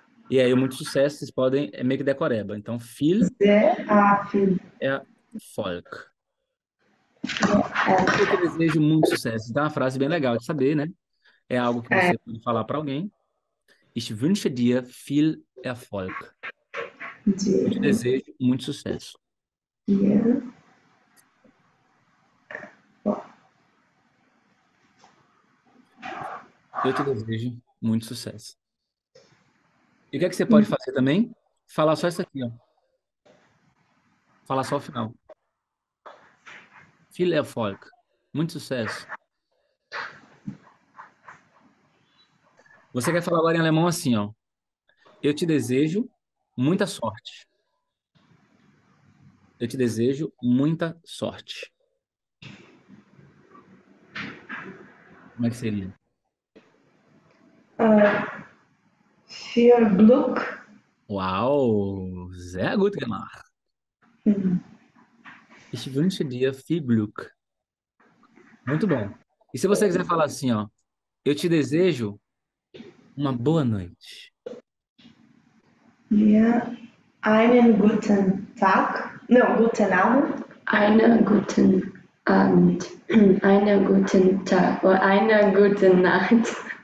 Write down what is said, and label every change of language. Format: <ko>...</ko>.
<pt>E aí, muito sucesso, vocês podem meio que decoreba. Então, viel Ah, é Volk. Eu te desejo muito sucesso. Então, é uma frase bem legal de saber, né? É algo que você pode falar para alguém.</pt> <de>Ich wünsche dir viel Erfolg.</de> <pt>Eu te desejo muito sucesso. Eu te desejo muito sucesso. E o que é que você pode fazer também? Falar só isso aqui, ó. Falar só o final.</pt> <de>Viel Erfolg.</de> <pt>Muito sucesso. Você quer falar agora em alemão assim, ó. Eu te desejo muita sorte. Eu te desejo muita sorte. Como é que seria?</pt> <de>Viel Glück.</de> <pt>Uau,</pt> <de>sehr gut gemacht. Ich wünsche dir viel Glück.</de> <pt>Muito bom. E se você quiser falar assim, ó, eu te desejo uma boa noite.</pt> <de>Einen guten Tag.</de> <pt>Não,</pt> <de>guten Abend. Einen guten Nacht.</de>